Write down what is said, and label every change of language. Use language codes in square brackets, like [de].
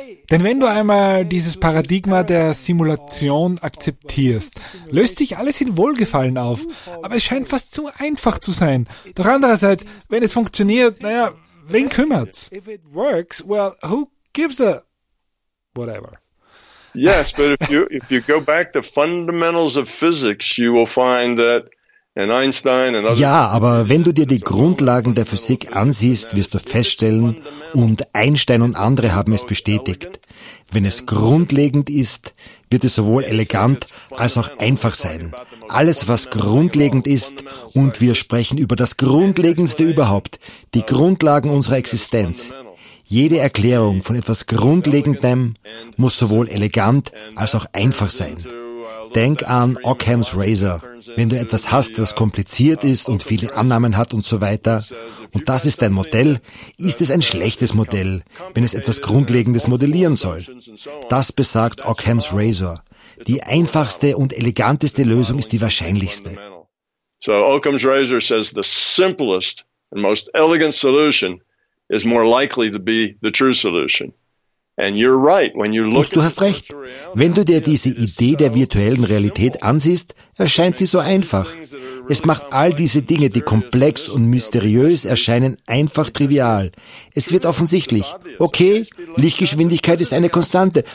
[de] Denn wenn du einmal dieses Paradigma der Simulation akzeptierst, löst sich alles in Wohlgefallen auf. Aber es scheint fast zu einfach zu sein. Doch andererseits, wenn es funktioniert, naja, wen kümmert's? [en] If it works, well, who gives a whatever? Yes, but if you go back to fundamentals of physics, you will find that and Einstein and [de] ja, aber wenn du dir die Grundlagen der Physik ansiehst, wirst du feststellen, und Einstein und andere haben es bestätigt, wenn es grundlegend ist, wird es sowohl elegant als auch einfach sein. Alles, was grundlegend ist, und wir sprechen über das Grundlegendste überhaupt, die Grundlagen unserer Existenz. Jede Erklärung von etwas Grundlegendem muss sowohl elegant als auch einfach sein. Denk an Occam's Razor. Wenn du etwas hast, das kompliziert ist und viele Annahmen hat und so weiter, und das ist dein Modell, ist es ein schlechtes Modell, wenn es etwas Grundlegendes modellieren soll. Das besagt Occam's Razor. Die einfachste und eleganteste Lösung ist die wahrscheinlichste. [en] So Occam's Razor says the simplest and most elegant solution is more likely to be the true solution. And you're right when you look. [de] Und du hast recht. Wenn du dir diese Idee der virtuellen Realität ansiehst, erscheint sie so einfach. Es macht all diese Dinge, die komplex und mysteriös erscheinen, einfach trivial. Es wird offensichtlich. Okay, Lichtgeschwindigkeit ist eine Konstante.